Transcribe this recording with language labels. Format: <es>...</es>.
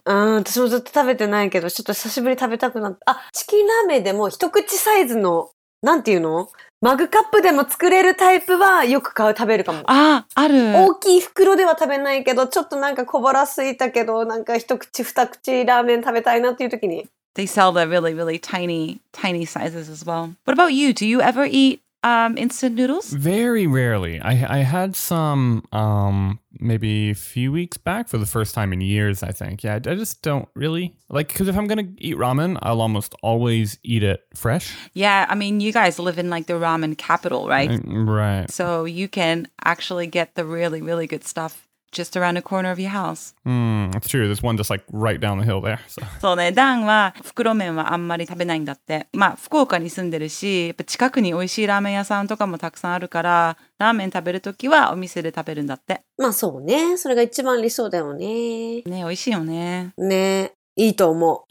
<ja>うん、私もずっと食べてないけど、ちょっと久しぶり食べたくなった。あ、チキンラーメンでも一口サイズの、なんていうの？マグカップでも作れるタイプはよく買う食べるかも。ああ、ある。大きい袋では食べないけど、ちょっとなんか小腹空いたけど、なんか一口二口ラーメン食べたいなっていう時に。</ja> <en>They sell the really, really tiny, tiny sizes as well. What about you? Do you ever eat, instant noodles? Very rarely. I had some, maybe a few weeks back for the first time in years, I think. Yeah, I just don't really. Like, because if I'm going to eat ramen, I'll almost always eat it fresh. Yeah, I mean, you guys live in like the ramen capital, right? Right. So you can actually get the really, really good stuff just around the corner of your house. That's true. There's one just like right down the hill there. So.</en> <ja>そうね。ダンは袋麺はあんまり食べないんだって。まあ、福岡に住んでるし、やっぱ近くに美味しいラーメン屋さんとかもたくさんあるから、ラーメン食べるときはお店で食べるんだって。まあそうね。それが一番理想だよね。ね、美味しいよね。ね。いいと思う。</ja>